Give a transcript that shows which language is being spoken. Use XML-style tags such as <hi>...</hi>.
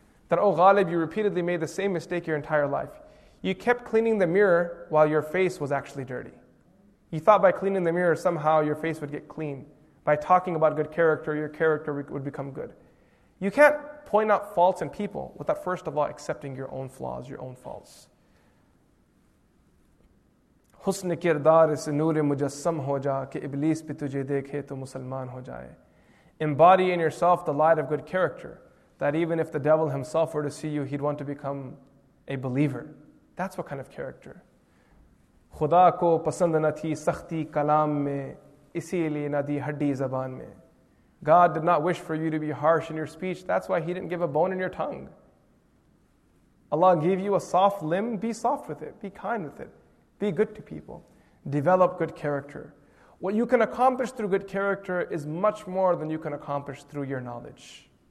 <en>That, oh Ghalib, you repeatedly made the same mistake your entire life. You kept cleaning the mirror while your face was actually dirty. You thought by cleaning the mirror, somehow your face would get clean. By talking about good character, your character would become good. You can't point out faults in people without first of all accepting your own flaws, your own faults.</en> <ur>حسن کردار اس نور مجسم ہو جا کہ ابلیس بھی تجھے دیکھے تو مسلمان ہو جائے.</ur> <en>Embody in yourself the light of good character, that even if the devil himself were to see you, he'd want to become a believer. That's what kind of character.</en> <ur>خدا کو پسند نہ تھی سختی کلام میں اسی لیے نہ دی ہڈی زبان میں.</ur> <en>God did not wish for you to be harsh in your speech. That's why he didn't give a bone in your tongue. Allah gave you a soft limb. Be soft with it. Be kind with it. Be good to people. Develop good character. What you can accomplish through good character is much more than you can accomplish through your knowledge.</en>